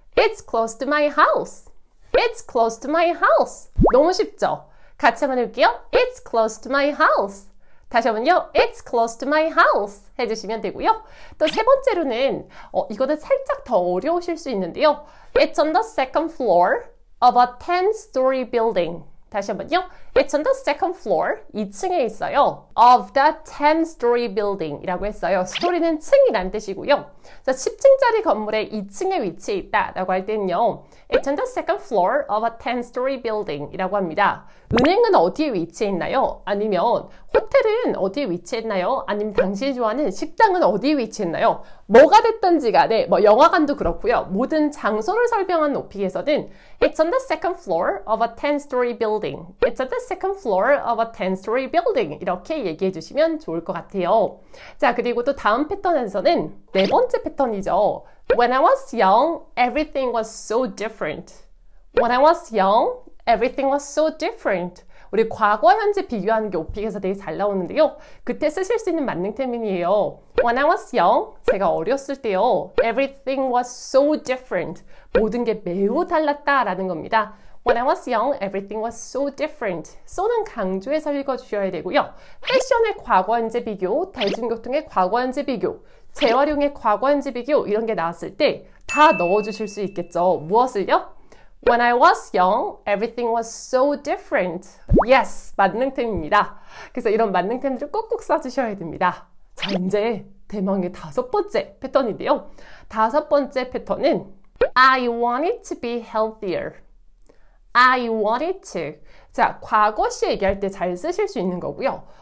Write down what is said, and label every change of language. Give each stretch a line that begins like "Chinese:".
English: It's close to my house. It's close to my house.
Korean: 너무 쉽죠? 같이 한번 해볼게요.
English: It's close to my house.
Korean: 다시 한번요.
English: It's close to my house.
Korean: 해주시면 되고요. 또 세 번째로는 이거는 살짝 더 어려우실 수 있는데요.
English: It's on the second floor of a 10-story building.
Korean: 다시 한번요.
English: It's on the second floor.
Korean: 2층에 있어요.
English: Of the 10-story building
Korean: 이라고 했어요.
English: story는
Korean: 층이라는 뜻이고요. 자, 10층짜리 건물의 2층에 위치해 있다 라고 할 때는요.
English: It's on the second floor of a 10-story building
Korean: 이라고 합니다. 은행은 어디에 위치해 있나요? 아니면 호텔은 어디에 위치해 있나요? 아니면 당신이 좋아하는 식당은 어디에 위치해 있나요? 뭐가 됐든지 간에 뭐 영화관도 그렇고요. 모든 장소를 설명한 오픽에서는
English: It's on the second floor of a 10-story building. It's on the second floor of a 10-story building.
Korean: 이렇게 얘기해 주시면 좋을 것 같아요. 자, 그리고 또 다음 패턴에서는 네 번째 패턴이죠.
English: When I was young, everything was so different. When I was young, everything was so different.
Korean: 우리 과거와 현재 비교하는 게 오픽에서 되게 잘 나오는데요. 그때 쓰실 수 있는 만능 템인이에요.
English: When I was young,
Korean: 제가 어렸을 때요.
English: Everything was so different.
Korean: 모든 게 매우 달랐다라는 겁니다.
English: When I was young, everything was so different.
Korean: So는 강조해서 읽어주셔야 되고요. 패션의 과거와 현재 비교, 대중교통의 과거와 현재 비교, 재활용의 과거와 현재 비교 이런 게 나왔을 때 다 넣어주실 수 있겠죠. 무엇을요?
English: When I was young, everything was so different.
Korean: Yes, 만능템입니다. 그래서 이런 만능템들을 꼭꼭 써주셔야 됩니다. 자, 이제 대망의 다섯 번째 패턴인데요. 다섯 번째 패턴은
English: I wanted to be healthier. I wanted to.
Korean: 자, 과거시 얘기할 때 잘 쓰실 수 있는 거고요.